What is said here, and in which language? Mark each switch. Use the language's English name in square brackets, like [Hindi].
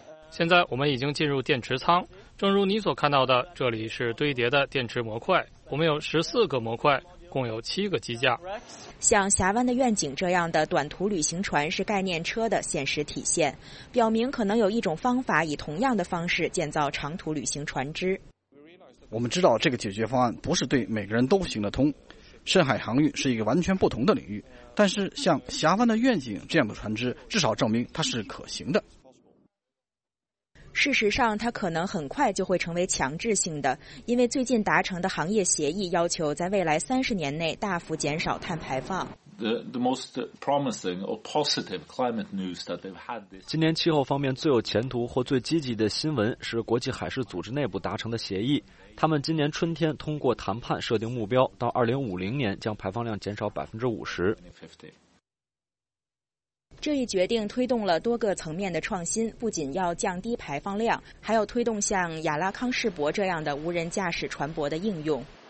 [Chinese] 现在我们已经进入电池舱。正如你所看到的，这里是堆叠的电池模块，我们有14个模块，共有7个机架。像峡湾的愿景这样的短途旅行船是概念车的现实体现，表明可能有一种方法以同样的方式建造长途旅行船只。我们知道这个解决方案不是对每个人都行得通，深海航运是一个完全不同的领域，但是像峡湾的愿景这样的船只至少证明它是可行的。事实上，它可能很快就会成为强制性的，因为最近达成的行业协议要求在未来30年内大幅减少碳排放。 [English] The most promising or positive climate news that they've had this. [Chinese] 今年气候方面最有前途或最积极的新闻是国际海事组织内部达成的协议。他们今年春天通过谈判设定目标，到2050年将排放量减少50%。这一决定推动了多个层面的创新，不仅要降低排放量，还要推动像亚拉康世博这样的无人驾驶船舶的应用。